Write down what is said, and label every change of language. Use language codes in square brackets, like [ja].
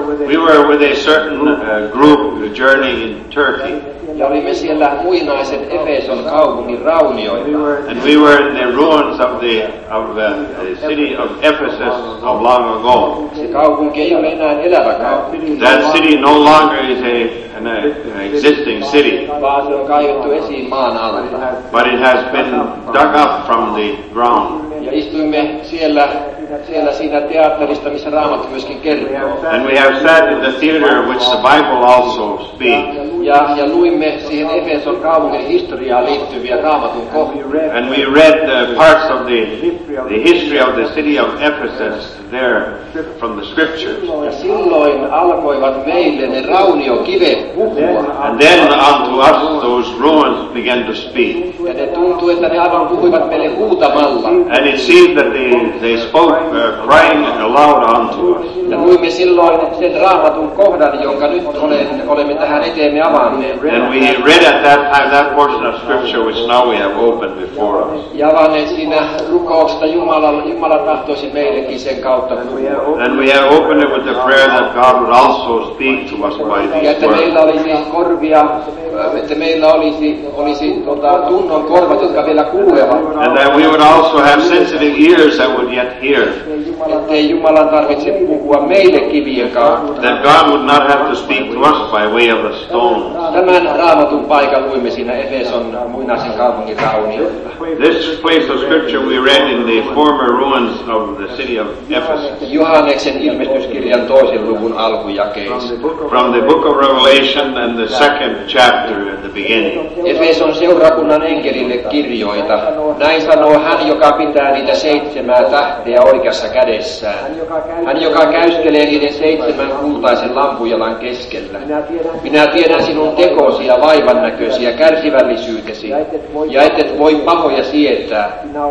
[en] We were with a certain group journeying in Turkey. [fi] Ja olimme siellä muinaisen Efeson kaupungin raunioilla. [en] And we were in the ruins of the city of Ephesus of long ago. [fi] Se kaupunki ei ole enää elävä kaupunki. [en] That city no longer is an existing city. [fi] Vaan se on kaivettu esiin maan alta. [en] But it has been dug up from the ground. [fi] Ja istuimme siellä siinä teatterista, missä Raamattu myöskin kertoo. [en] And we have sat in the theater which the Bible also speaks. [fi] Ja luimme siihen Efeson kaupungin historiaa liittyviä Raamatun kohtia. [en] And we read parts of the history of the city of Ephesus there from the scriptures. [fi] Ja silloin alkoivat meille ne rauniokivet puhua. [en] And then unto us those ruins began to speak. [fi] Ja ne tuntui, että ne aivan puhuivat meille huutamalla. [en] And it seemed that they spoke crying aloud unto us. [fi] Ja luimme silloin sen Raamatun kohdan, jonka nyt olemme tähän eteemme avanneet. [en] And we read at that time that portion of scripture which now we have opened before us. [fi] Ja avanneet siinä rukouksesta Jumala tahtoisi meillekin sen kautta. [en] And we have opened it with the prayer that God would also speak to us by these words. [fi] Ja että meillä olisi korvia, että meillä olisi tunnon korvat, jotka vielä kuulevat. [en] And that we would also have sensitive ears that would yet hear. [fi] Että ei Jumalan tarvitse puhua meille kivien kautta. [en] That God would not have to speak to us by way of a stone. [fi] Tämän Raamatun paikan luimme siinä Efeson muinaisen kaupungin raunioilla. [en] This place of scripture we read in the former ruins of the city of Ephesus. [fi] Johanneksen ilmestyskirjan toisen luvun alkujakeissa. [en] From the book of Revelation and the second chapter at the beginning. [fi] Efeson seurakunnan enkelille kirjoita. Näin sanoo hän, joka pitää niitä seitsemää tähteä oikeassa kädessään. Hän, joka käyskelee niiden seitsemän kultaisen lampujalan keskellä. Minä tiedän sinun tekosi ja vaivannäköisi ja kärsivällisyytesi, ja et voi pahoja sietää.